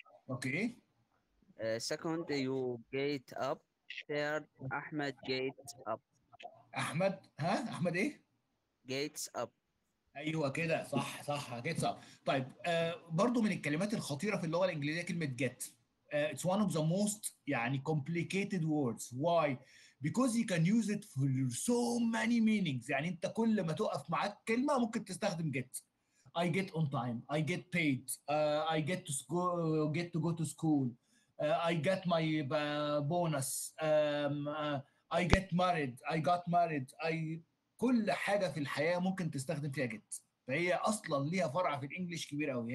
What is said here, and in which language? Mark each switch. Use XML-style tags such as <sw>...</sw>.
<en>Okay second you get up. Third Ahmed get up.</en> <ar>احمد ها احمد ايه</ar> <en>Gets up.</en> <ar>ايوه كده صح صح</ar> <en>Gets up.</en> <ar>طيب برضو من الكلمات الخطيره في اللغه الانجليزيه كلمه جيت.</ar> <en>It's one of the most</en> <ar>يعني</ar> <en>complicated words. Why? Because you can use it for so many meanings.</en> <ar>يعني انت كل ما توقف معك كلمة ممكن تستخدم get.</ar> <en>I get on time. I get paid. I get to school. Get to go to school. I get my bonus. I get married. I got married.</en> <ar>كل حاجة في الحياة ممكن تستخدم فيها get. فهي اصلا ليها فرع في الانجليش كبير قوي.</ar>